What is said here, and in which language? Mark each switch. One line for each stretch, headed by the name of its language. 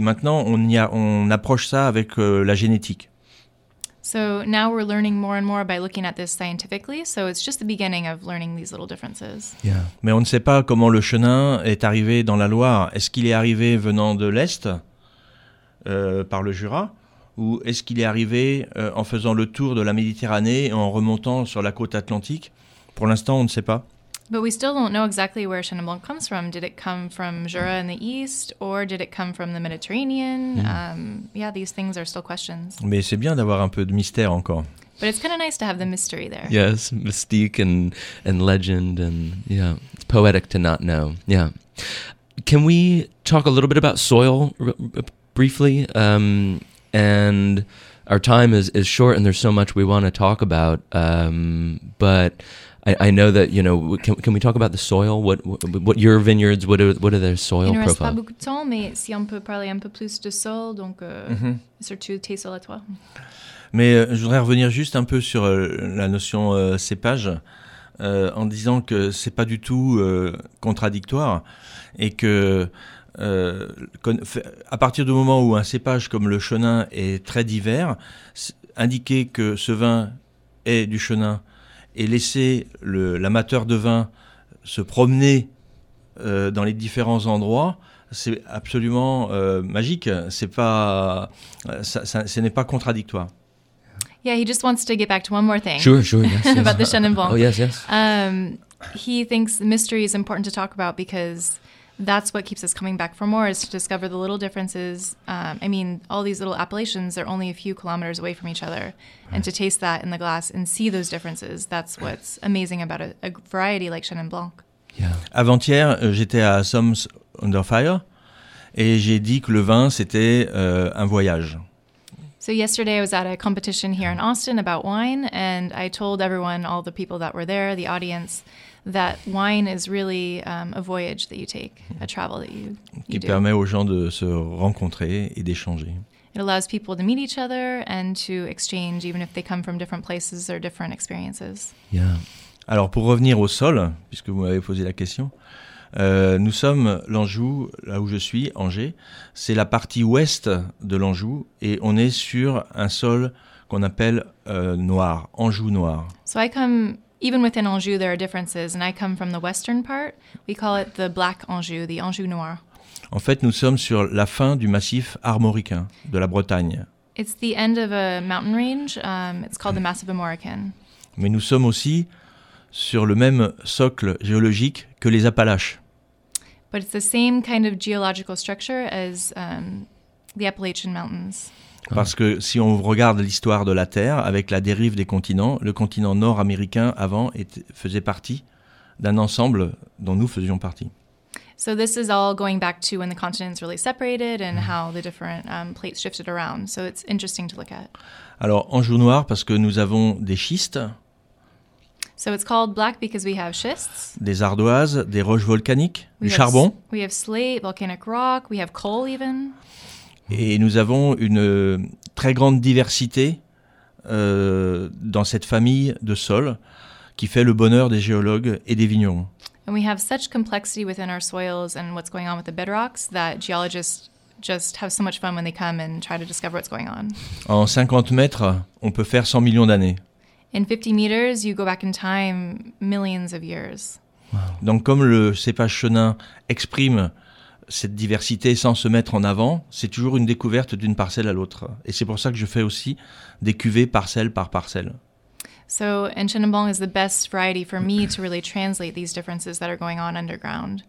French: Maintenant, on approche ça avec la génétique.
English: So now we're learning more and more by looking at this scientifically. So it's just the beginning of learning these little differences. Yeah.
French: Mais on ne sait pas comment le Chenin est arrivé dans la Loire. Est-ce qu'il est arrivé venant de l'Est ? Par le Jura, ou est-ce qu'il est arrivé en faisant le tour de la Méditerranée et en remontant sur la côte atlantique? Pour l'instant, on ne sait pas.
English: But we still don't know exactly where Chenin Blanc comes from. Did it come from Jura in the east, or did it come from the Mediterranean? Yeah, these things are still questions.
French: Mais c'est bien d'avoir un peu de mystère encore.
English: But it's kind of nice to have the mystery there. Yes, mystique and legend and yeah, it's poetic to not know. Yeah. Can we talk a little bit about soil? Briefly, and our time is short, and there's so much we want to talk about. But I know that, you know, can we talk about the soil? What your vineyards? What are their soil profile?
French: Il ne reste pas beaucoup de temps, mais si on peut parler un peu plus de sol, donc surtout tes sols à toi. Mais je voudrais revenir juste un peu sur la notion cépage, en disant que ce n'est pas du tout contradictoire et que à partir du moment où un cépage comme le chenin est très divers, indiquer que ce vin est du chenin et laisser l'amateur de vin se promener dans les différents endroits, c'est absolument magique. Ce n'est pas contradictoire.
English: Yeah, he just wants to get back to one more thing. Sure, yes. About the Chenin Blanc. Oh, yes. He thinks mystery is important to talk about because that's what keeps us coming back for more, is to discover the little differences. I mean, all these little appellations are only a few kilometers away from each other. Right. And to taste that in the glass and see those differences, that's what's amazing about a variety like Chenin Blanc. Yeah.
French: Avant-hier, j'étais à Somme's Under Fire et j'ai dit que le vin, c'était un voyage.
English: So yesterday I was at a competition here in Austin about wine, and I told everyone, all the people that were there, the audience, that wine is really a voyage that you take, a travel that you
French: qui
English: do.
French: Permet aux gens de se rencontrer et d'échanger.
English: It allows people to meet each other and to exchange, even if they come from different places or different experiences. Yeah.
French: Alors pour revenir au sol, puisque vous m'avez posé la question, nous sommes l'Anjou, là où je suis, Angers. C'est la partie ouest de l'Anjou et on est sur un sol qu'on appelle noir, Anjou noir.
English: So I come, even within Anjou, there are differences, and I come from the western part. We call it the Black Anjou, the Anjou noir.
French: En fait, nous sommes sur la fin du massif armoricain de la Bretagne.
English: It's the end of a mountain range. It's called the Massif Armoricain.
French: Mais nous sommes aussi sur le même socle géologique que les Appalaches.
English: But it's the same kind of geological structure as the Appalachian Mountains. Parce que si on regarde l'histoire de la Terre avec la dérive des continents, le continent nord-américain avant faisait partie d'un ensemble dont nous faisions partie. So this is all going back to when the continents really separated and how the different plates shifted around. So it's interesting to look at.
French: Alors Anjou noir parce que nous avons des schistes.
English: So it's called black because we have schists.
French: Des ardoises, des roches volcaniques, du charbon.
English: We have slate, volcanic rock, we have coal even.
French: Et nous avons une très grande diversité dans cette famille de sols qui fait le bonheur des géologues et des vignerons.
English: And we have such complexity within our soils and what's going on with the bedrocks that geologists just have so much fun when they come and try to discover what's going on.
French: En 50 mètres, on peut faire 100 millions d'années.
English: In 50 meters, you go back in time millions of years. Wow.
French: Donc comme le cépage chenin exprime cette diversité sans se mettre en avant, c'est toujours une découverte d'une parcelle à l'autre. Et c'est pour ça que je fais aussi des cuvées parcelle par parcelle.
English: So, and Chenin Blanc is the best variety for me to really translate these differences that are going on underground.